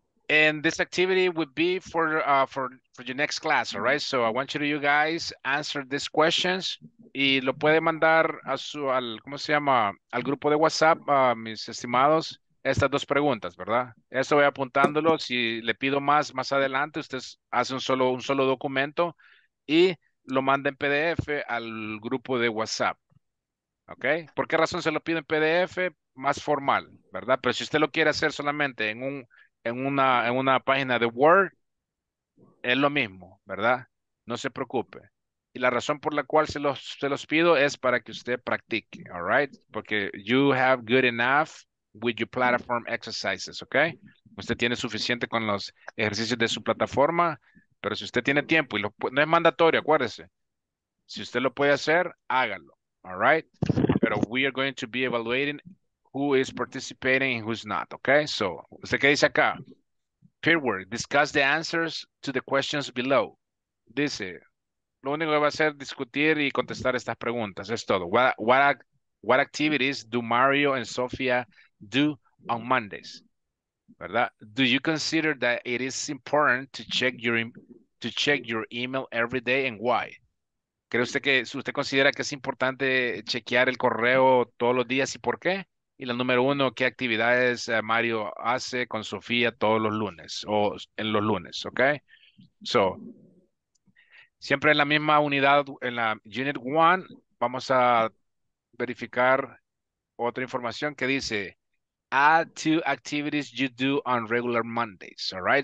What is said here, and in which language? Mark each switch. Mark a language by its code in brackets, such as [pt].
[en] And this activity would be for your next class, all right? So I want you to, you guys, answer these questions. [es] Y lo puede mandar a su, al, ¿cómo se llama? Al grupo de WhatsApp, mis estimados, estas dos preguntas, ¿verdad? Esto voy apuntándolo. Si le pido más, más adelante, usted hace un solo documento y lo manda en PDF al grupo de WhatsApp, ¿ok? ¿Por qué razón se lo pido en PDF? Más formal, ¿verdad? Pero si usted lo quiere hacer solamente en un... En una página de Word, es lo mismo, ¿verdad? No se preocupe. Y la razón por la cual se los pido es para que usted practique, [en] all right? [es] Porque [en] you have good enough with your platform exercises, okay? [es] Usted tiene suficiente con los ejercicios de su plataforma, pero si usted tiene tiempo, y lo, no es mandatorio, acuérdese. Si usted lo puede hacer, hágalo, [en] all right? [es] Pero [en] we are going to be evaluating who is participating and who's not, okay? So, [es] usted que dice acá, [en] peer work, discuss the answers to the questions below. [es] Dice, lo único que va a hacer es discutir y contestar estas preguntas, es todo. [en] What activities do Mario and Sofia do on Mondays? [es] ¿Verdad? [en] Do you consider that it is important to check your email every day and why? [es] ¿Cree usted que, usted considera que es importante chequear el correo todos los días y por qué? Y la número uno, ¿qué actividades Mario hace con Sofía todos los lunes o en los lunes? ¿Ok? So, siempre en la misma unidad, en la Unit 1, vamos a verificar otra información que dice, [en] add two activities you do on regular Mondays, all right?